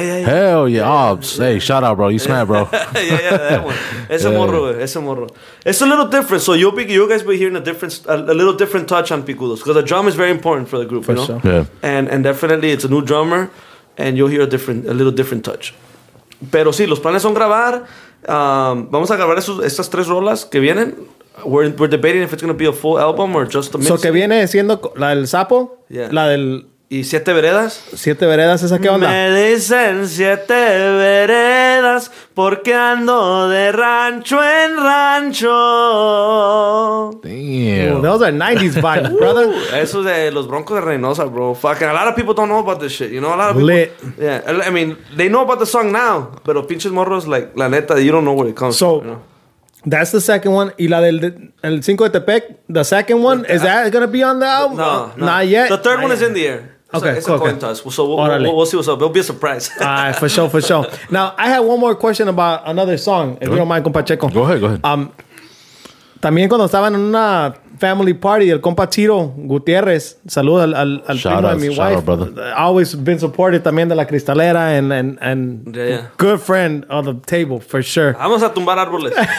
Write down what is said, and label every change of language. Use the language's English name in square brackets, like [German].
[English] Hell yeah. Hey, shout out, bro. You smart, bro. Yeah, that one. [Spanish] Ese morro. [English] It's a little different. So you guys be hearing a little different touch on Picudos. Because the drum is very important for the group, you know? Sure. Yeah. And definitely it's a new drummer and you'll hear a little different touch. [Spanish] Pero sí, los planes son grabar. Vamos a grabar estas tres rolas que vienen. [English] We're debating if it's gonna be a full album or just a mix. [Spanish] So que viene siendo la del sapo, [English] yeah. [Spanish] La del ¿Y Siete Veredas? ¿Siete Veredas? ¿Esa qué onda? Me dicen Siete Veredas porque ando de rancho en rancho. [English] Damn. Ooh, those are 90s vibes, brother. [Spanish] Eso de los Broncos de Reynosa, bro. [English] Fucking a lot of people don't know about this shit. You know, a lot of people. Lit. Yeah. I mean, they know about the song now, [Spanish] pero pinches morros, [English] like, [Spanish] la neta, [English] you don't know where it comes from, you know? That's the second one. [Spanish] Y la del el [English] Cinco de Tepec, the second one, is that going to be on the album? No. Not yet? The third one is in the air. It's a coin toss. So we'll see what's up. It'll be a surprise. For sure. Now, I have one more question about another song, if you don't mind, compa Checo. Go ahead. [Spanish] También cuando estaban en una [English] family party, [Spanish] el compa Tiro Gutierrez, saludo al primo de mi [English] wife. Shout out, brother. Always been supportive también de la Cristalera and yeah. Good friend of the table, for sure. [Spanish] Vamos a tumbar árboles.